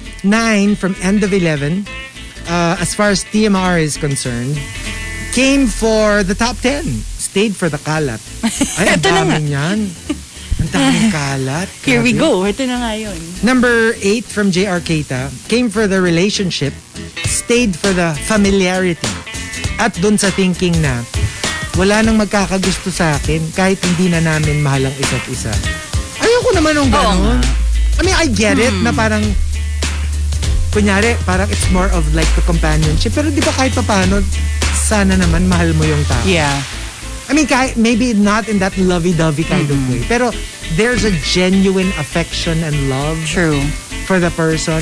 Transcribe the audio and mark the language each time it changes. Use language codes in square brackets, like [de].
[en] 9 from End of 11, as far as TMR is concerned, came for the top 10. Stayed for the [tl] kalat. Ay, ang daming yan. Ang daming kalat. Grabe. [en] Here we go. [tl] Ito na nga yun. [en] Number 8 from JR Keita, came for the relationship, stayed for the familiarity. [tl] At dun sa thinking na, wala nang magkakagusto sa akin kahit hindi na namin mahal ang isa't isa. Ayoko naman nung ganun. [en] I mean, I get it [tl] na parang, kunyari, parang [en] it's more of like the companionship. [tl] Pero di ba kahit papano, sana naman mahal mo yung tao. [en] Yeah. I mean, kahit, maybe not in that lovey-dovey kind of way. Pero there's a genuine affection and love for the person.